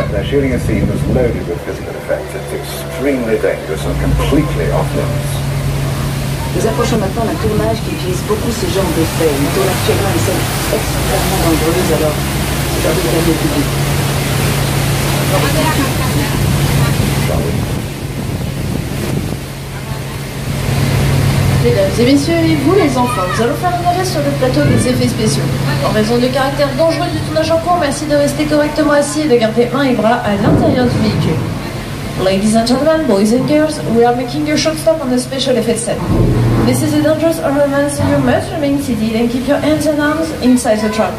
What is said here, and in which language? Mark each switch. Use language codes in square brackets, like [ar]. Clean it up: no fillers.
[en] Shooting a scene that's loaded with physical effects, it's extremely dangerous and completely off-limits. [fr] Nous approchons maintenant d'un tournage qui utilise beaucoup ce genre d'effets. Nous tournons actuellement une scène extrêmement dangereuse, alors c'est à vous de gagner le public. Mesdames et messieurs, et vous les enfants, nous allons faire un arrêt sur le plateau des effets spéciaux. En raison du caractère dangereux du tournage en cours, merci de rester correctement assis et de garder main et bras à l'intérieur du véhicule. [en] Ladies and gentlemen, boys and girls, we are making a short stop on the special effects set. This is a dangerous environment, so you must remain seated and keep your hands and arms inside the truck.